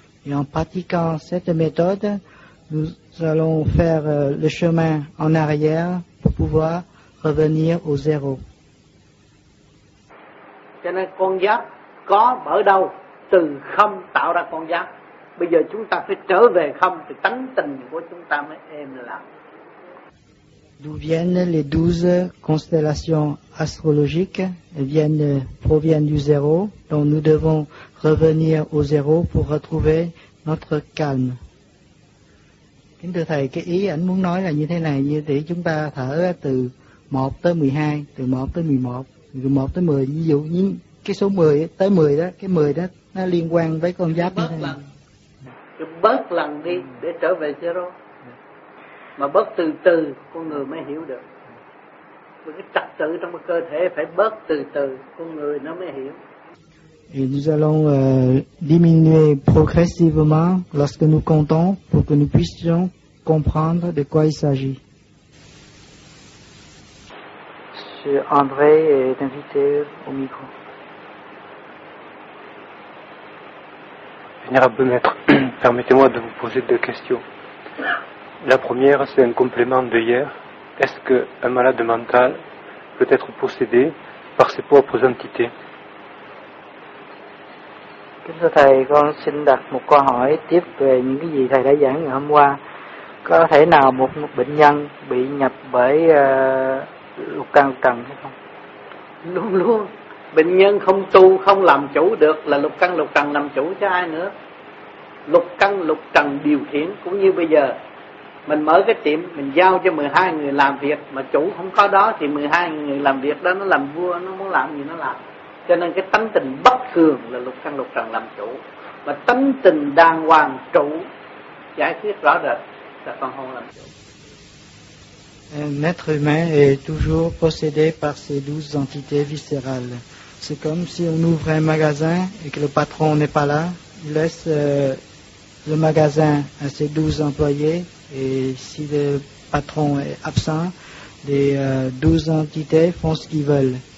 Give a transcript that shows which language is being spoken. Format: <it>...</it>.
<fr>Et en pratiquant cette méthode, nous allons faire le chemin en arrière pour pouvoir revenir au zéro.</fr> <vi>cho nên con giác có mở đâu, từ không tạo ra con giác. Bây giờ chúng ta phải trở về không thì tánh tình của chúng ta mới êm lặng.</vi> <fr>D'où viennent les 12 constellations astrologiques? Viennent, proviennent du zéro, donc nous devons revenir au zéro pour retrouver notre calme.</fr> <vi>Kính thưa thầy, cái ý ảnh muốn nói là như thế này, như thế chúng ta thở từ 1 tới 12, từ 1 tới 11, từ 1 tới 10, ví dụ như cái số 10 tới 10 đó, cái 10 đó nó liên quan với con giáp như thế này. Cứ bớt lần đi để trở về zero. Mà bớt từ từ con người mới hiểu được. Một cái trật tự trong cơ thể phải bớt từ từ con người nó mới hiểu.</vi> <fr>Et nous allons diminuer progressivement lorsque nous comptons pour que nous puissions comprendre de quoi il s'agit. Monsieur André est invité au micro. Vénérable maître, permettez-moi de vous poser deux questions. La première, c'est un complément de hier. Est-ce qu'un malade mental peut être possédé par ses propres entités?</fr> <vi>Kính thưa thầy, con xin đặt một câu hỏi tiếp về những cái gì thầy đã giảng ngày hôm qua. Có thể nào một bệnh nhân bị nhập bởi lục căn lục trần hay không? Luôn luôn. Bệnh nhân không tu, không làm chủ được là lục căn lục trần làm chủ cho ai nữa. Lục căn lục trần điều khiển, cũng như bây giờ mình mở cái tiệm, mình giao cho 12 người làm việc, mà chủ không có đó thì 12 người làm việc đó nó làm vua, nó muốn làm gì nó làm. Cho nên cái tánh tình bất thường là lục căn lục trần làm chủ. Và tánh tình đàng hoàng trụ giải quyết rõ rệt là con hồn làm chủ.</vi> <fr>Un être humain est toujours possédé par ses 12 entités viscérales. C'est comme si on ouvrait un magasin et que le patron n'est pas là. Il laisse le magasin à ses 12 employés. Et si le patron est absent, les 12 entités font ce qu'ils veulent.</fr>